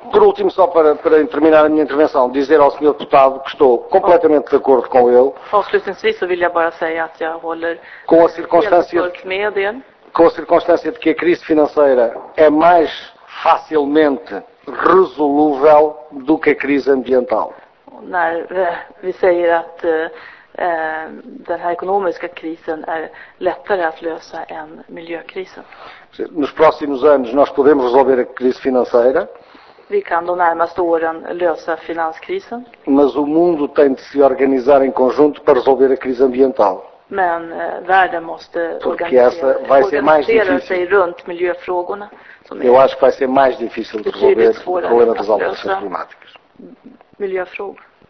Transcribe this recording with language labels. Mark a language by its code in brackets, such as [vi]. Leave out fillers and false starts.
[pt] Por último, só para terminar a minha intervenção, dizer ao senhor deputado que estou completamente de acordo com ele. [sv] Avslutningsvis vill jag bara säga att jag håller [pt] com a circunstância de que a crise financeira é mais facilmente resolúvel do que a crise ambiental. [sv] När vi säger att den här ekonomiska krisen är lättare att lösa än miljökrisen. [pt] Nos próximos anos nós podemos resolver a crise financeira. [sv] Vi kan de närmaste åren lösa finanskrisen. [pt] Mas o mundo tem de se organizar em conjunto para resolver a crise ambiental. [sv] Men världen måste organisera sig runt miljöfrågorna. [pt] Eu acho que vai ser mais difícil de resolver o problema das alterações climáticas. [sv] Miljöfrågor.